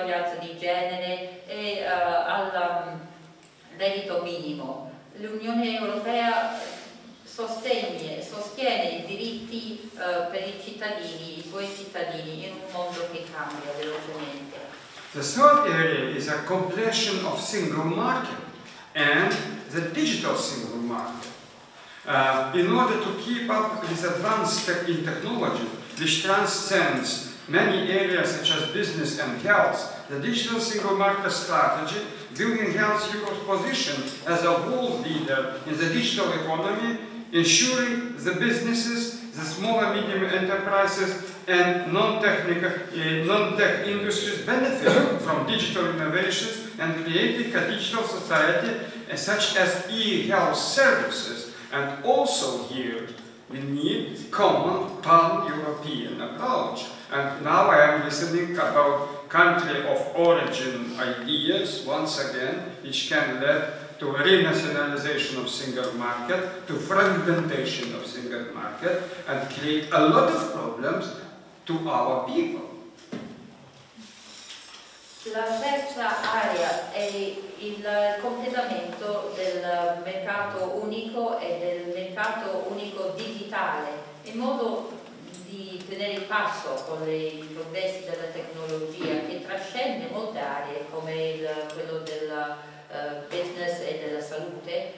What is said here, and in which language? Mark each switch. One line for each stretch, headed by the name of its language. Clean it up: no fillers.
Italian: l'uguaglianza di genere e al reddito minimo. L'Unione Europea sostiene i diritti per i cittadini, i suoi cittadini, in un mondo che cambia velocemente.
English: The third area is a completion of single market and the digital single market. In order to keep up with advanced in technology, which transcends many areas such as business and health, the digital single market strategy will enhance Europe's position as a world leader in the digital economy, ensuring the businesses, the small and medium enterprises, and non-tech industries benefit from digital innovations and creating a digital society such as e-health services. And also here, we need common pan-European approach. And now I am listening about country of origin ideas, once again, which can lead to renationalization of single market, to fragmentation of single market, and create a lot of problems to our people.
Italian: La terza area è il completamento del mercato unico e del mercato unico digitale, in modo di tenere il passo con i progressi della tecnologia che trascende molte aree come quello del business e della salute.